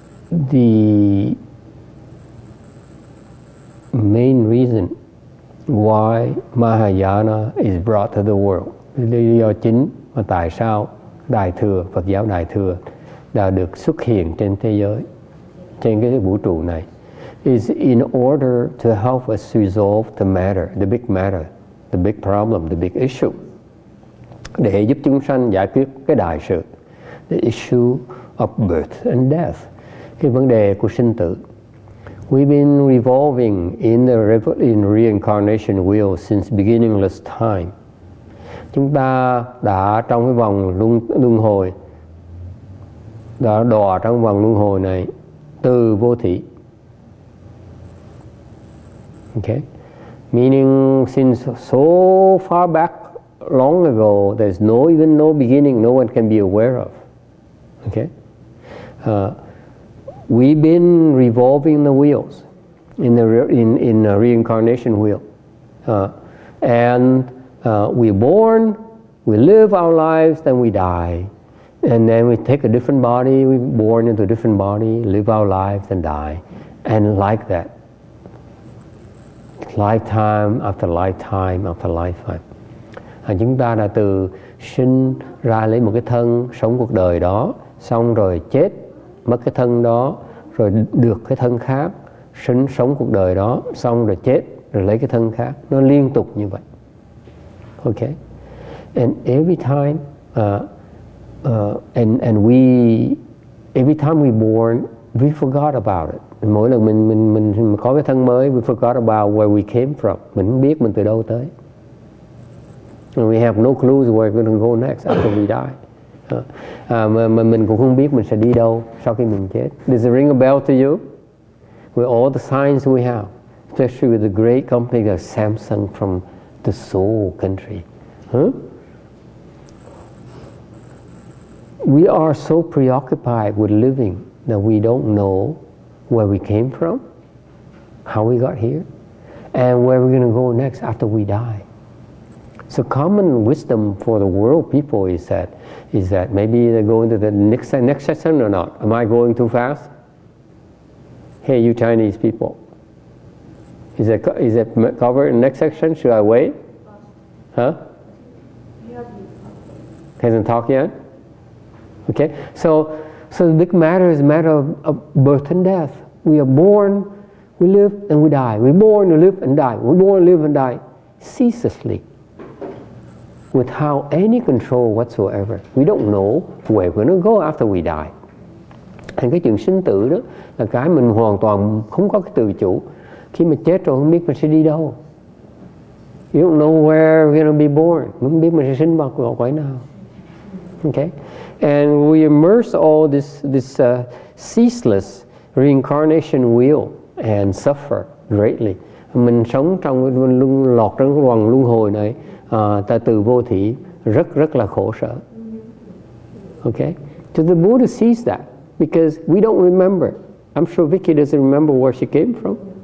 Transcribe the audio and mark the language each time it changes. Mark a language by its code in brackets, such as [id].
[en] The main reason why Mahayana is brought to the world. [vi] Lý do chính mà tại sao Đại Thừa, Phật giáo Đại Thừa đã được xuất hiện trên thế giới, trên cái vũ trụ này, [en] is in order to help us resolve the matter, the big matter, the big problem, the big issue. [vi] Để giúp chúng sanh giải quyết cái đại sự, [en] the issue of birth and death, [vi] cái vấn đề của sinh tử. [en] We've been revolving in the reincarnation wheel since beginningless time. [vi] Chúng ta đã trong cái vòng luân hồi, đã đọa trong vòng luân hồi này từ vô thỉ. [en] Okay, meaning since so far back, long ago, there's no even no beginning, no one can be aware of. Okay. We've been revolving the wheels in a reincarnation wheel. We're born, we live our lives, then we die. And then we take a different body, we're born into a different body, live our lives, and die. And like that. Lifetime after lifetime after lifetime. [vi] Chúng ta đã từ sinh ra lấy một cái thân, sống cuộc đời đó, xong rồi chết, mất cái thân đó, rồi được cái thân khác, sinh sống cuộc đời đó, xong rồi chết, rồi lấy cái thân khác. Nó liên tục như vậy. Okay? [en] And every time, every time we born, we forgot about it. [vi] Mỗi lần mình có cái thân mới, [en] we forgot about where we came from. [vi] Mình không biết mình từ đâu tới. [en] And we have no clues where we're going to go next after we die. [vi] Mà mình cũng không biết mình sẽ đi đâu sau khi mình chết. [en] Does it ring a bell to you? With all the signs we have, especially with the great company of Samsung from the Seoul country. We are so preoccupied with living that we don't know where we came from, how we got here, and where we're going to go next after we die. So common wisdom for the world people is that maybe they're going to the next session or not. Am I going too fast? Hey, you Chinese people. Is it covered in the next section? Should I wait? Huh? Hasn't talked yet? Okay. So the big matter is a matter of birth and death. We are born, we live, and we die. We're born, we live, and die. We're born, live, and die ceaselessly. Without any control whatsoever. We don't know where we're going to go after we die. [vi] And cái chuyện sinh tử đó là cái mình hoàn toàn không có cái tự chủ. Khi mà chết rồi không biết mình sẽ đi đâu. [en] You don't know where we're going to be born. [vi] Không biết mình sẽ sinh vào quái nào. [en] Okay? And we immerse all this ceaseless reincarnation wheel and suffer greatly. [vi] Mình sống trong lọt trong cái vòng luân hồi này. Ta từ vô thỉ rất rất là khổ sở. Okay? [en] So the Buddha sees that because we don't remember. I'm sure Vicky doesn't remember where she came from.